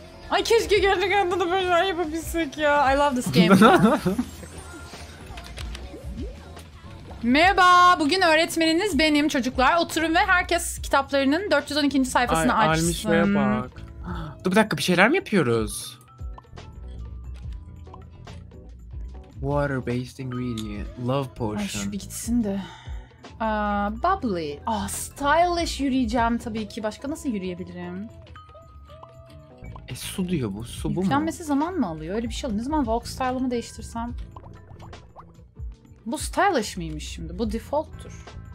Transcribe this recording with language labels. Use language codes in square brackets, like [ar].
[tr] Ay keşke gerçekten de böyle şeyler yapabilsek ya. [en] I love this game. [tr] Merhaba, bugün öğretmeniniz benim çocuklar. Oturun ve herkes kitaplarının 412. sayfasını ay, açsın. Ay Almişa'ya bak. Dur bir dakika, bir şeyler mi yapıyoruz? [en] Water based ingredient, love potion. [tr] Ay şu bir gitsin de. Bubbly. Ah, stylish yürüyeceğim tabii ki. Başka nasıl yürüyebilirim? E su diyor bu, su bu mu? Yüklenmesi zaman mı alıyor? Öyle bir şey alın. Ne zaman walk style'ımı değiştirsem? Bu stylish miymiş şimdi? Bu default'tur.